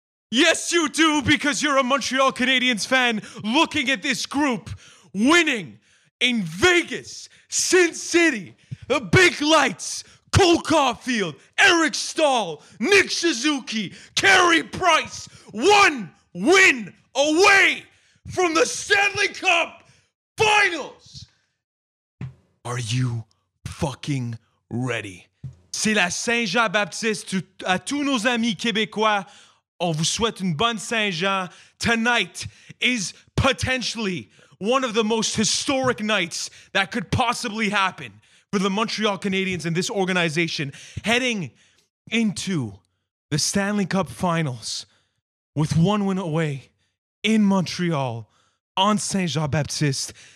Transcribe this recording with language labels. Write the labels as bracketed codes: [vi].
[en] Yes, you do, because you're a Montreal Canadiens fan looking at this group winning in Vegas, Sin City, the Big Lights, Cole Caulfield, Eric Staal, Nick Suzuki, Carey Price, one win away from the Stanley Cup Finals. Are you fucking ready? [fr] C'est la Saint-Jean-Baptiste à tous nos amis Québécois. On vous souhaite une bonne Saint-Jean. [en] Tonight is potentially one of the most historic nights that could possibly happen for the Montreal Canadiens and this organization, heading into the Stanley Cup Finals with one win away in Montreal on Saint-Jean-Baptiste.